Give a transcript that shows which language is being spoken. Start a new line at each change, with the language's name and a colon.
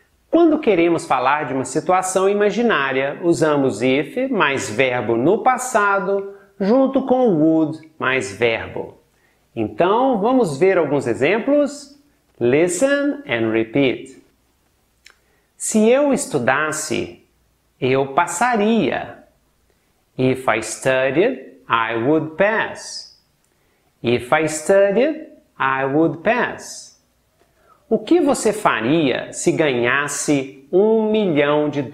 Portuguese: Quando queremos falar de uma situação imaginária, usamos if mais verbo no passado junto com would mais verbo. Então, vamos ver alguns exemplos?
English: Listen and repeat.
Portuguese: Se eu estudasse, eu passaria.
English: If I studied, I would pass. If I studied, I would pass.
Portuguese: O que você faria se ganhasse $1 million?